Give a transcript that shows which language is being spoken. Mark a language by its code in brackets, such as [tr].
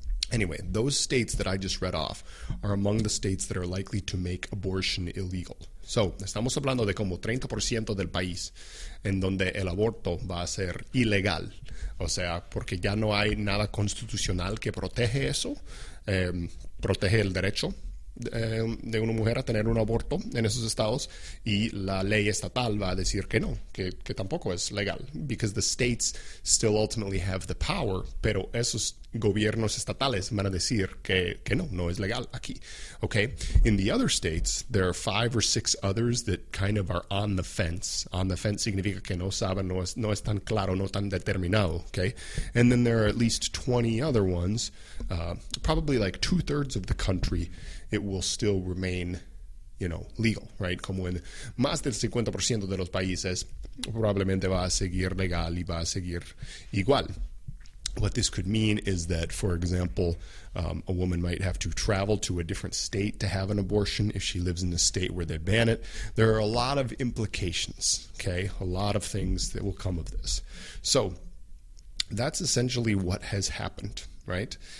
[en] Anyway, those states that I just read off are among the states that are likely to make abortion illegal. [es] So, estamos hablando de como 30% del país en donde el aborto va a ser ilegal. O sea, porque ya no hay nada constitucional que protege eso, protege el derecho de una mujer a tener un aborto en esos estados, y la ley estatal va a decir que no, que tampoco es legal, [en] because the states still ultimately have the power, [es] pero esos gobiernos estatales van a decir que no, no es legal aquí. [en] Okay, in the other states, there are 5 or 6 others that kind of are on the fence. On the fence [es] significa que no saben, no es tan claro, no tan determinado, okay? [en] And then there are at least 20 other ones, probably like 2/3 of the country, it will still remain, you know, legal, right? [es] Como en más del 50% de los países, probablemente va a seguir legal y va a seguir igual. [en] What this could mean is that, for example, a woman might have to travel to a different state to have an abortion if she lives in the state where they ban it. There are a lot of implications, okay? A lot of things that will come of this. So that's essentially what has happened, right?